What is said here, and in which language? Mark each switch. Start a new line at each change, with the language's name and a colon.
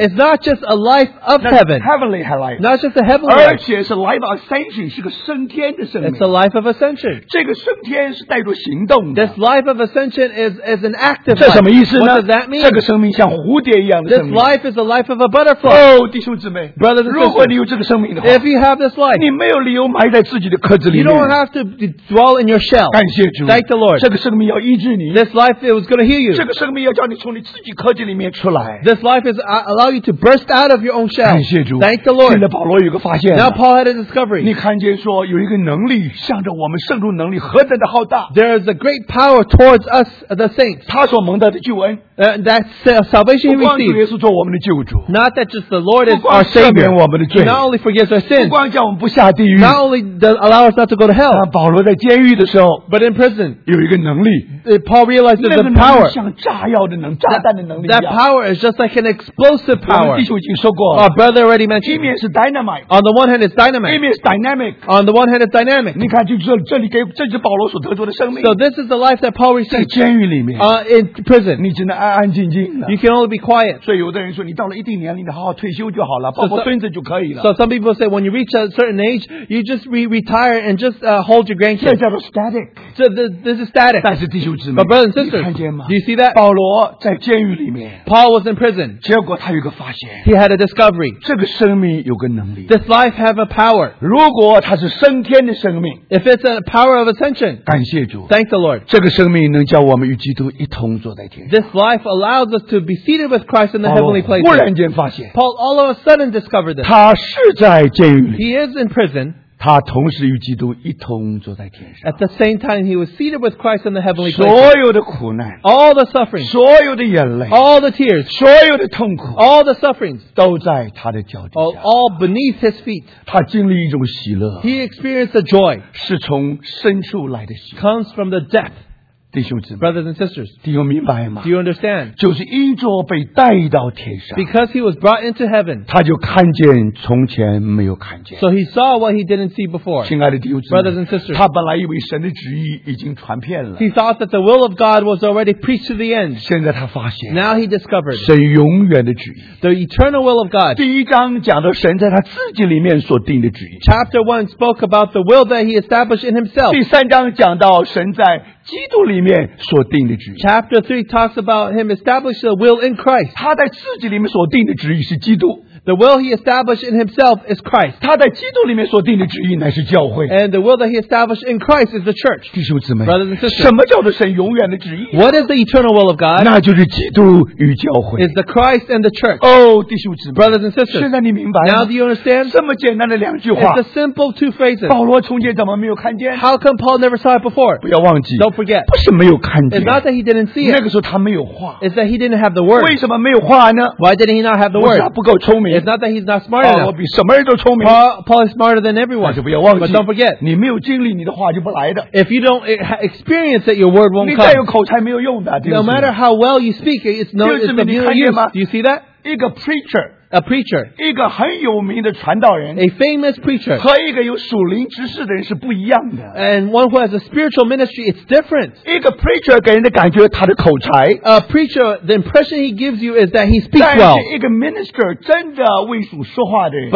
English: it's not just a life of heaven, heavenly life, not just a heavenly life,
Chinese: 而且是
English: life of ascension,
Chinese: 是个升天的生命,
English: it's a life of ascension.
Chinese: 这个升天是带着行动的,
English: this life of ascension is an active life.
Chinese: 这什么意思呢?
English: What does that mean?
Chinese: 这个生命像蝴蝶一样的生命,
English: this life is a life of a butterfly.
Chinese: 哦, 弟兄姊妹,
English: brothers and sisters, if you have this life,
Chinese: 你没有理由埋在自己的壳子里面,
English: you don't have to dwell in your shell.
Chinese: 感谢主,
English: thank the Lord.
Chinese: 这个生命要医治你,
English: this life it was going to heal you.
Chinese: 这个生命要叫你从你自己壳子里面出来,
English: this life is allow you to burst out of your own shell.
Chinese: 感谢主,
English: thank the Lord.
Chinese: 现在保罗有个发现,
English: now Paul had a discovery.
Chinese: 你看见说有一个能力向着我们圣徒能力何等的浩大,
English: there is a great power towards us the saints.
Chinese: 他所蒙得的救恩,
English: that's salvation he received. Not that just the Lord is our Savior. He not only forgives our sins. Not only allows us not to go to hell.
Chinese: 但保罗在监狱的时候,
English: but in prison,
Chinese: 有一个能力,
English: Paul realizes the power.
Chinese: 像炸药的能, 炸弹的能力一样,
English: that power is just like an explosive power.
Chinese: 我们弟兄已经说过,
English: our brother already mentioned.
Chinese: 一面是 dynamite,
English: on the one hand it's dynamite.
Chinese: 一面是 dynamic,
English: on the one hand it's dynamic.
Chinese: 你看就是这里给, 这就是保罗所得着的生命。
English: So this is the life that Paul received.
Chinese: 在监狱里面,
English: in prison.
Chinese: 你只能安安静静,
English: you can only be quiet.
Chinese: 所以有的人说你到了一定年龄你好好退休就好了, 抱抱孙子就可以了。
English: So some people say when you reach a certain age you just retire and just hold your grandkids.
Chinese: 这叫做 static.
English: So this is static.
Chinese: 但是弟兄姊妹,
English: but brothers and sisters,
Chinese: 你看见吗?
English: Do you see that?
Chinese: 保罗在监狱里面,
English: Paul was in prison.
Chinese: 结果他有个发现,
English: he had a discovery.
Chinese: 这个生命有个能力,
English: this life have a power.
Chinese: 如果他是升天的生命,
English: if it's a power of ascension,
Chinese: 感谢主,
English: thank the Lord.
Chinese: 这个生命能叫我们与基督一同坐在天上,
English: this life allows us to be seated with Christ in the heavenly place.
Chinese: 忽然间发现,
English: Paul all of a sudden discovered this.
Chinese: 他是在监狱里,
English: he is in prison.
Chinese: 他同时与基督一同坐在天上,
English: at the same time he was seated with Christ in the heavenly place.
Chinese: 所有的苦难,
English: all the suffering,
Chinese: 所有的眼泪,
English: all the tears,
Chinese: 所有的痛苦,
English: all the sufferings,
Chinese: 都在他的脚底下,
English: all beneath his feet.
Chinese: 他经历一种喜乐,
English: he experienced a joy,
Chinese: 是从深处来的喜乐,
English: comes from the depth.
Chinese: 弟兄姊妹,
English: brothers and sisters,
Chinese: 弟兄明白吗?
English: Do you understand?
Chinese: 就是因着被带到天上,
English: because he was brought into heaven,
Chinese: 他就看见从前没有看见,
English: so he saw what he didn't see before.
Chinese: 亲爱的弟兄姊妹,
English: brothers and sisters,
Chinese: 他本来以为神的旨意已经传遍了,
English: he thought that the will of God was already preached to the end.
Chinese: 现在他发现,
English: now he discovered,
Chinese: 神永远的旨意,
English: the eternal will of God.
Chinese: 第一章讲到神在他自己里面所定的旨意,
English: chapter 1 spoke about the will that he established in himself.
Chinese: 第三章讲到神在基督里面所定的旨意。
English: Chapter 3 talks about him establishing a will in Christ.
Chinese: 他在自己里面所定的旨意是基督。
English: The will he established in himself is Christ.
Chinese: 他在基督里面所定的旨意乃是教会。
English: And the will that he established in Christ is the church.
Chinese: 弟兄姊妹。
English: Brothers and sisters.
Chinese: 什么叫做神永远的旨意？
English: What is the eternal will of God?
Chinese: 那就是基督与教会。
English: Is the Christ and the church.
Chinese: 哦，弟兄姊妹。
English: Brothers and sisters.
Chinese: 现在你明白了。
English: Now do you understand?
Chinese: 这么简单的两句话。
English: It's a simple two phrases.
Chinese: 保罗从前怎么没有看见？
English: How come Paul never saw it before?
Chinese: 不要忘记。
English: Don't forget.
Chinese: 不是没有看见。
English: It's not that he didn't see it.
Chinese: 那个时候他没有话。
English: It's that he didn't have the word.
Chinese: 为什么没有话呢？
English: Why didn't he not have the word?
Chinese: 不是他不够聪明。
English: It's not that he's not smart enough.
Chinese: 比什么人都聪明。
English: Paul is smarter than everyone.
Chinese: 不要忘记。
English: But don't forget.
Chinese: 你没有经历，你的话就不来的。
English: If you don't experience it, your word won't come.
Chinese: 你再有口才没有用的。
English: No matter how well you speak, it's no use.
Chinese: 你看见吗？
English: Do you see that?
Chinese: 一个 preacher.
English: A preacher.
Chinese: 一个很有名的传道人。
English: A famous preacher.
Chinese: 和一个有属灵执事的人是不一样的。
English: And one who has a spiritual ministry, it's different.
Chinese: 一个 preacher 给人的感觉他的口才。
English: A preacher, the impression he gives you is that he speaks well.
Chinese: 但是一个 minister 真的为主说话的人。